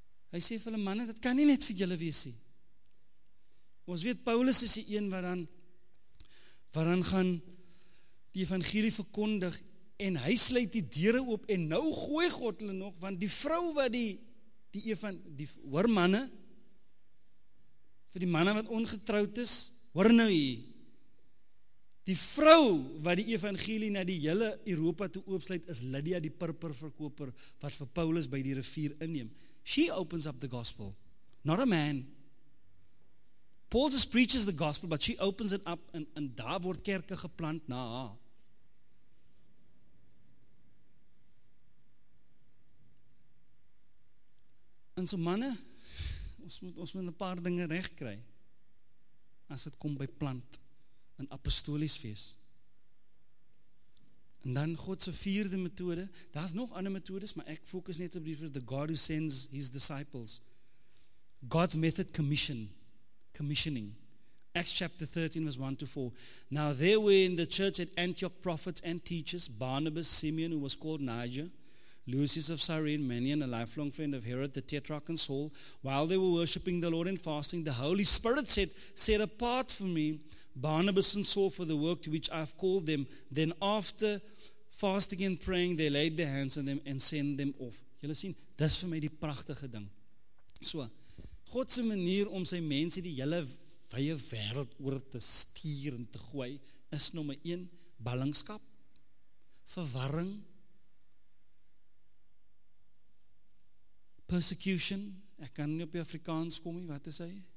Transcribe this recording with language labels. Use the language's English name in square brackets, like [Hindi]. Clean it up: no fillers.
[Afrikaans] Hy sê vir hulle manne, dit kan nie net vir julle wees nie. Ons weet, Paulus is die een waaraan gaan die evangelie verkondig, en hy sluit die deure oop, en nou gooi God hulle nog, want die vrou wat die evangelie, hoor manne, vir die manne wat ongetrouwd is, hoor nou hier, die vrou wat die evangelie na die hele Europa toe oopsluit, is Lydia die purperverkoper, wat vir Paulus by die rivier inneem. [English] She opens up the gospel, not a man. Paul just preaches the gospel, but she opens it up, [Afrikaans] en daar word kerke geplant na haar. En so manne, ons moet een paar dinge recht kry, as het kom by plant, en apostolies wees. En dan Godse vierde methode, daar is nog ander methodes, maar ek focus net op die vir [English] the God who sends his disciples. God's method commissioning. Acts chapter 13 verse 1 to 4. Now there were in the church at Antioch prophets and teachers, Barnabas, Simeon, who was called Niger, Lucius of Cyrene, Manion, a lifelong friend of Herod, the Tetrarch and Saul. While they were worshipping the Lord and fasting, the Holy Spirit said, set apart for me Barnabas and Saul for the work to which I have called them. Then after fasting and praying, they laid their hands on them and sent them off. [Afrikaans] Julle sien, dis vir my die pragtige ding. So, God se manier om sy mense die hele wye wêreld oor te stuur en te gooi, is nommer 1, ballingskap, verwarring, persecution, ek kan nie op die Afrikaans kom nie, wat is hy?